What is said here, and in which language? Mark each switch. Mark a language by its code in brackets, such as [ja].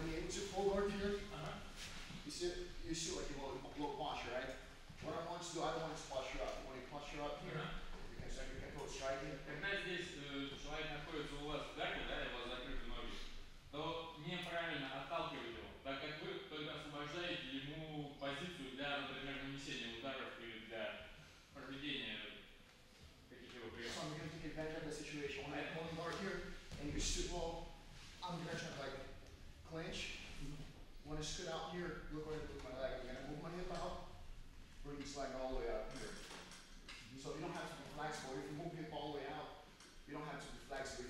[en] it's your pole guard here. You see, like a little posture, right? What I want you to do, I don't want you to posture up. When you posture up here, you can check your ankle striking. [ru] Когда здесь человек находится у вас в гарде, да, его закрыты ноги, то неправильно отталкивать его, так как вы только освобождаете ему позицию для, например, нанесения ударов или для проведения каких-либо приемов. [en] So I'm going to take advantage of the situation. When I have pole guard here, and you sit low, I'm going to try to like clinch. When I sit out here, look where I put my leg. I'm going to move my hip out, bring this leg all the way up here. So you don't have to be flexible. If you move hip all the way out, you don't have to be flexible.